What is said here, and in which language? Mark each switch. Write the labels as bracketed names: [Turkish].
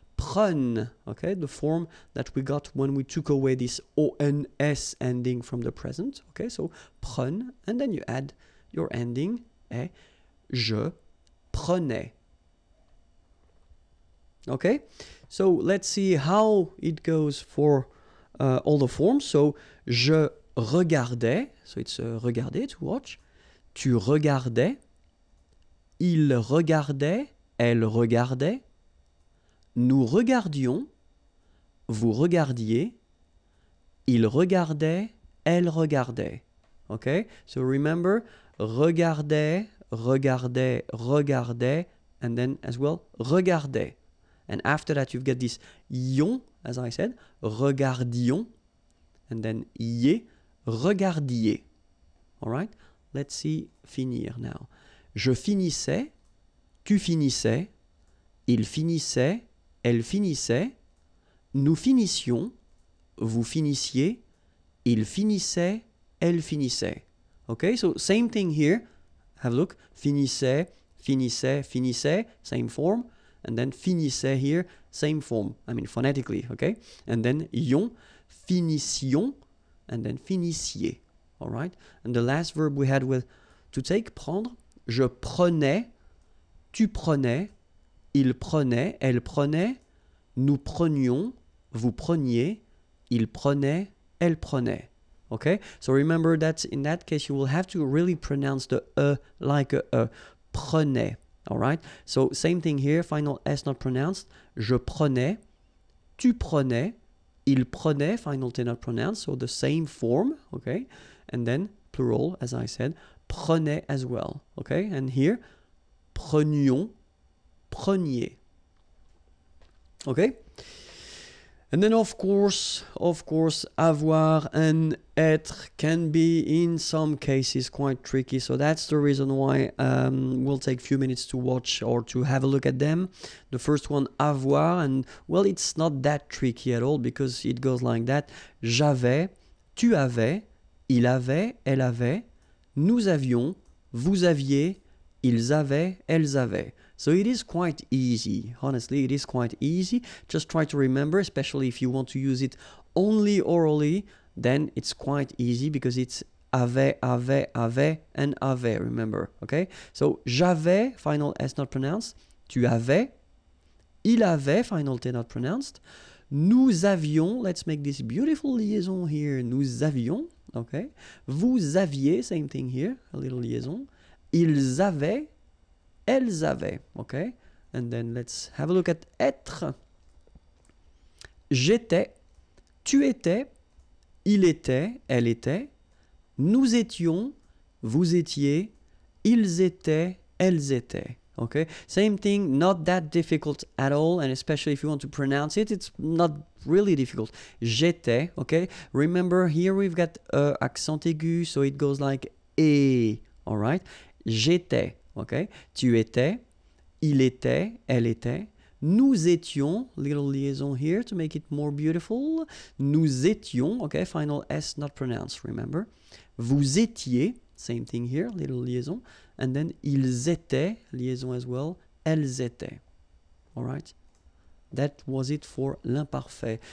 [English] prenne, okay, the form that we got when we took away this ons ending from the present, okay, so prenne, and then you add your ending, eh, [French] je prenais. [English] Okay, so let's see how it goes for all the forms. So, [French] je regardais, [English] so it's regarder, to watch. [French] Tu regardais, il regardait, elle regardait, nous regardions, vous regardiez, il regardait, elle regardait. [English] Okay, so remember, regardait, regardait, regardait, and then as well, regardait. And after that, you've got this yon, as I said, regardions, and then yé, regardiez. All right, let's see finir now. [French] Je finissais, tu finissais, il finissait, elle finissait, nous finissions, vous finissiez, il finissait, elle finissait. [English] Okay, so same thing here. Have a look. Finissait, finissait, finissait, same form. And then finissait here, same form, I mean phonetically, okay? And then yon, finissions, and then finissiez, all right? And the last verb we had was to take, prendre. [French] Je prenais, tu prenais, il prenait, elle prenait, nous prenions, vous preniez, il prenait, elle prenait, okay? [English] So remember that in that case, you will have to really pronounce the E like a prenait. Alright, so same thing here, final S not pronounced. [French] Je prenais, tu prenais, il prenait, [English] final T not pronounced, so the same form, okay? And then plural, as I said, prenait as well, okay? And here, prenions, preniez. Okay? And then of course, avoir and être can be in some cases quite tricky. So that's the reason why we'll take a few minutes to watch or to have a look at them. The first one, avoir, and well, it's not that tricky at all because it goes like that. [French] J'avais, tu avais, il avait, elle avait, nous avions, vous aviez, ils avaient, elles avaient. [English] So it is quite easy, honestly, it is quite easy. Just try to remember, especially if you want to use it only orally, then it's quite easy because it's avait, avait, avait, and avait, remember, okay? [French] So j'avais, [English] final S not pronounced, [French] tu avais, il avait, [English] final T not pronounced, [French] nous avions, [English] let's make this beautiful liaison here, nous avions, okay? [French] Vous aviez, [English] same thing here, a little liaison, [French] ils avaient, elles avaient, [English] okay? And then let's have a look at [French] être. J'étais, tu étais, il était, elle était, nous étions, vous étiez, ils étaient, elles étaient. [English] Okay, same thing, not that difficult at all, and especially if you want to pronounce it, it's not really difficult. [French] J'étais, [English] okay? Remember, here we've got accent aigu, so it goes like e, all right? J'étais. Okay, [French] tu étais, il était, elle était, nous étions, [English] little liaison here to make it more beautiful, nous étions, okay, final S not pronounced, remember, [French] vous étiez, [English] same thing here, little liaison, and then [French] ils étaient, [English] liaison as well, [French] elles étaient, [English] all right, that was it for l'imparfait.